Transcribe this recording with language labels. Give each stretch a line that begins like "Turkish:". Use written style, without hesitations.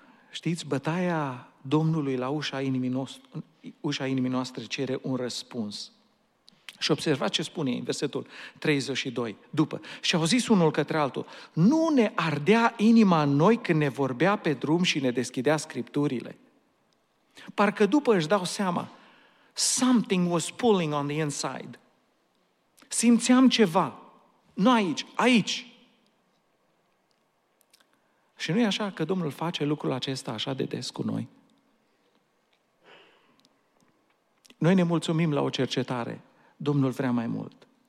Romanian: Știți, bătaia Domnului la ușa inimii noastre cere un răspuns. Și observați ce spune în versetul 32, după. Și au zis unul către altul, nu ne ardea inima noi când ne vorbea pe drum și ne deschidea scripturile. Parcă după își dau seama,
English: something was pulling on the inside.
Romanian: Simțeam ceva, nu aici, aici. Și nu e așa că Domnul face lucrul acesta așa de des cu noi? Noi ne mulțumim la o cercetare, Domnul vrea mai mult.